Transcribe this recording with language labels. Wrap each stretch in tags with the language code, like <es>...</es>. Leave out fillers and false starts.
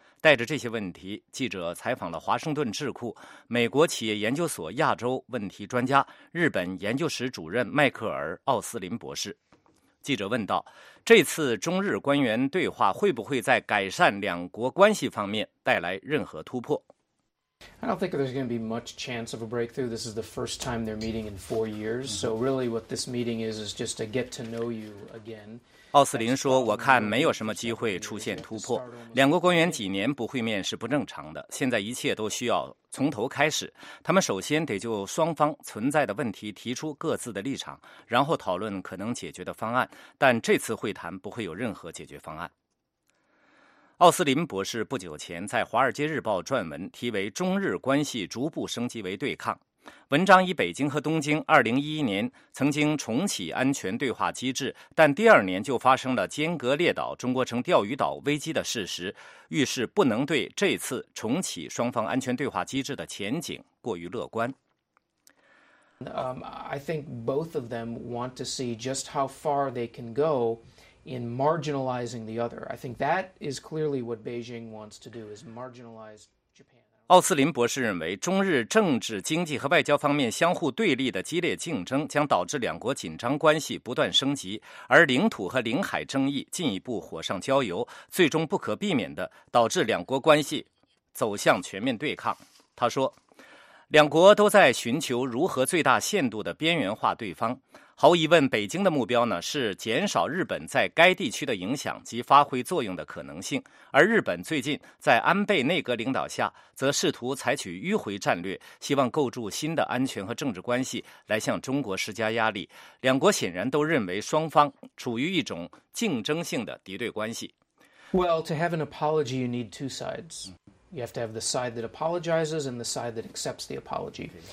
<zh>带着这些问题，记者采访了华盛顿智库美国企业研究所亚洲问题专家、日本研究室主任迈克尔·奥斯林博士。记者问道，这次中日官员对话会不会在改善两国关系方面带来任何突破？</zh> <en>I don't think there's going to be much chance of a breakthrough. This is the first time they're meeting in 4 years. So really what this meeting is just to get to know you again.</en> <zh>奥斯林说，我看没有什么机会出现突破。两国官员几年不会面是不正常的。现在一切都需要从头开始。他们首先得就双方存在的问题提出各自的立场，然后讨论可能解决的方案。但这次会谈不会有任何解决方案。奥斯林博士不久前在《华尔街日报》撰文，题为《中日关系逐步升级为对抗》。文章以北京和东京2011年曾经重启安全对话机制，但第二年就发生了尖阁列岛、中国城钓鱼岛危机的事实，预示不能对这次重启双方安全对话机制的前景过于乐观。</zh> <en>I think both of them want to see just how far they can go. In marginalizing the other. I think that is clearly what Beijing wants to do, is marginalize Japan.</en> <zh>奥斯林博士认为，中日政治、经济和外交方面相互对立的激烈竞争将导致两国紧张关系不断升级，而领土和领海争议进一步火上浇油，最终不可避免地导致两国关系走向全面对抗。他说，两国都在寻求如何最大限度地边缘化对方。毫无疑问，北京的目标呢是减少日本在该地区的影响及发挥作用的可能性，而日本最近在安倍内阁领导下则试图采取迂回战略，希望构筑新的安全和政治关系来向中国施加压力。两国显然都认为双方处于一种竞争性的敌对关系。</zh> <en>Well, to have an apology you need two sides. You have to have the side that apologizes and the side that accepts the apology.</en>